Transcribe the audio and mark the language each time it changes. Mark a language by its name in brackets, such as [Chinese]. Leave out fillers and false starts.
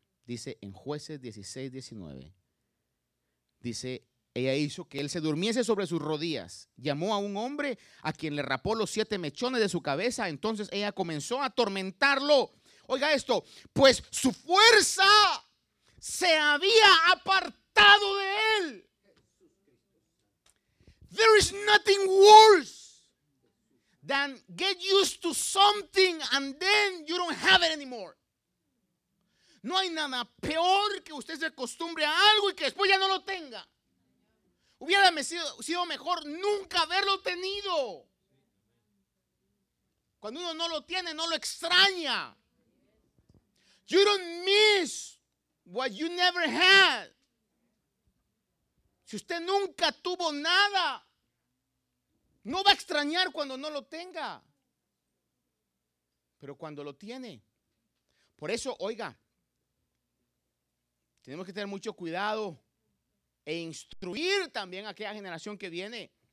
[Spanish] Dice en Jueces 16:19, dice, ella hizo que él se durmiese sobre sus rodillas. Llamó a un hombre a quien le rapó los 7 mechones de su cabeza. Entonces ella comenzó a atormentarlo. Oiga esto, pues su fuerza se había apartado de él. [English] There is nothing worse than get used to something and then you don't have it anymore. [Spanish] No hay nada peor que usted se acostumbre a algo y que después ya no lo tenga. Hubiera sido mejor nunca haberlo tenido. Cuando uno no lo tiene, no lo extraña. [English] You don't miss what you never had. [Spanish] Si usted nunca tuvo nada, no va a extrañar cuando no lo tenga. Pero cuando lo tiene. Por eso, oiga, tenemos que tener mucho cuidado e instruir también a aquella generación que viene.